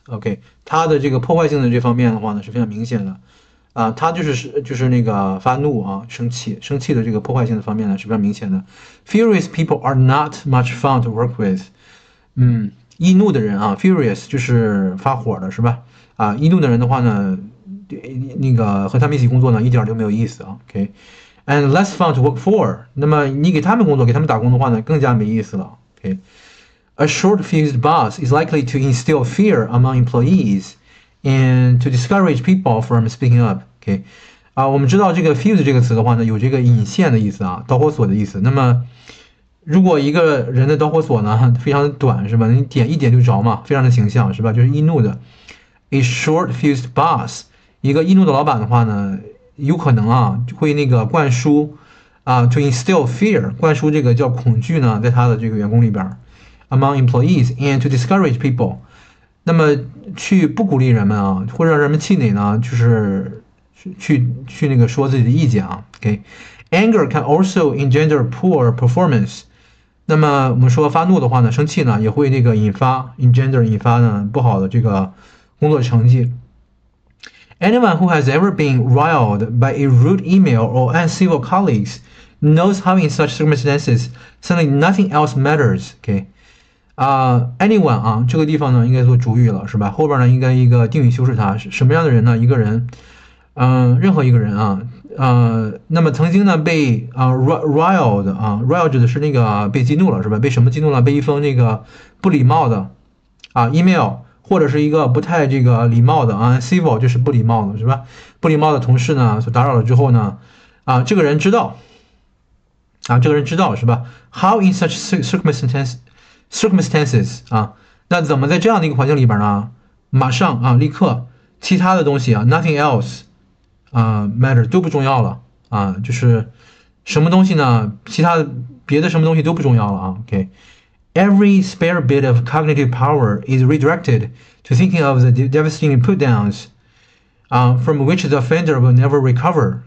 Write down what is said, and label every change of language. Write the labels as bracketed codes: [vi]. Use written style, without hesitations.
[zh] Okay， 它的这个破坏性的这方面的话呢是非常明显的。它就是那个发怒啊，生气的这个破坏性的方面呢是非常明显的。 [en] Furious people are not much fun to work with. [zh] 易怒的人啊 ，furious 就是发火的是吧？易怒的人的话呢，那个和他们一起工作呢一点都没有意思啊。 [en] Okay。 And less fun to work for. [zh] 那么你给他们工作，给他们打工的话呢，更加没意思了。 Okay. [en] A short-fused boss is likely to instill fear among employees and to discourage people from speaking up. Okay. [zh] 我们知道这个 fuse 这个词的话呢，有这个引线的意思啊，导火索的意思。那么，如果一个人的导火索呢，非常的短，是吧？你点一点就着嘛，非常的形象，是吧？就是易怒的。 [en] A short-fused boss， [zh] 一个易怒的老板的话呢。有可能啊，会那个灌输啊 ， [en] to instill fear， [zh] 灌输这个叫恐惧呢，在他的这个员工里边 ， [en] among employees and to discourage people， [zh] 那么去不鼓励人们啊，或者让人们气馁呢，就是去那个说自己的意见啊。 [en] OK，anger can also engender poor performance。 [zh] 那么我们说发怒的话呢，生气呢，也会那个engender 引发呢不好的这个工作成绩。 [en] Anyone who has ever been riled by a rude email or uncivil colleagues knows how in such circumstances suddenly nothing else matters. [zh] Okay. Anyone 啊，这个地方呢应该做主语了是吧？后边呢应该一个定语修饰它，什么样的人呢？一个人，任何一个人啊，那么曾经呢被riled 啊 ，riled 指的是那个被激怒了是吧？被什么激怒了？被一封那个不礼貌的email。或者是一个不太这个礼貌的啊 ，civil 就是不礼貌的，是吧？不礼貌的同事呢，所打扰了之后呢，这个人知道，这个人知道是吧 ？ [en] How in such circumstances [zh] 啊？那怎么在这样的一个环境里边呢？马上啊，立刻，其他的东西啊 ，nothing else 啊 ，matter 都不重要了啊，就是什么东西呢？其他别的什么东西都不重要了啊 ，OK。 [en] Every spare bit of cognitive power is redirected to thinking of the devastating putdowns, from which the offender will never recover.